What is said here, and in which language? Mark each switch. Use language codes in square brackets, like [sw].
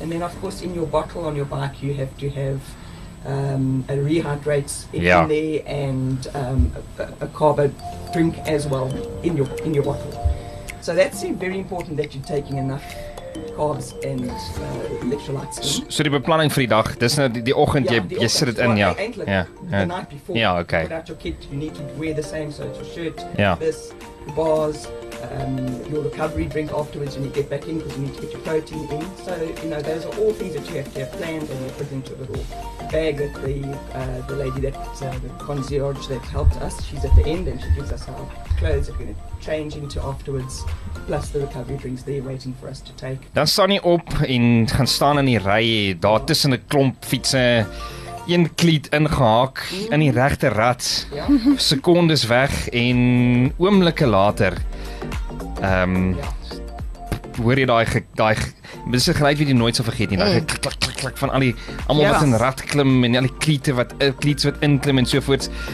[en] And then of course in your bottle on your bike you have to have a rehydrate in there and a carbo drink as well in your bottle. So that's very important that you're taking enough carbs and electrolytes. [af] So die beplanning vir die dag, dis nou die oggend, jy sit dit in, [en] okay. Without your kit, you need to wear the same, so it's your shirt, this, bars, your recovery drink afterwards when you get back in, because you need to get your protein in. So, you know, those are all things that you have to have planned, and you put into a little bag that the lady that, the concierge that helped us, she's at the end and she gives us our clothes that we're going to change into afterwards, plus the recovery drinks there waiting for us to take. [af] Dan staan jy op en gaan staan in die ry, daar tussen 'n klomp fietse, een kliet ingehaak in die regte rad, sekondes weg en oomblikke later, hoor jy daai dis 'n geluid wat jy nooit sal vergeet nie, daai klik klik klik klik van almal wat in rad klim en al die kliete wat inklim en sovoorts.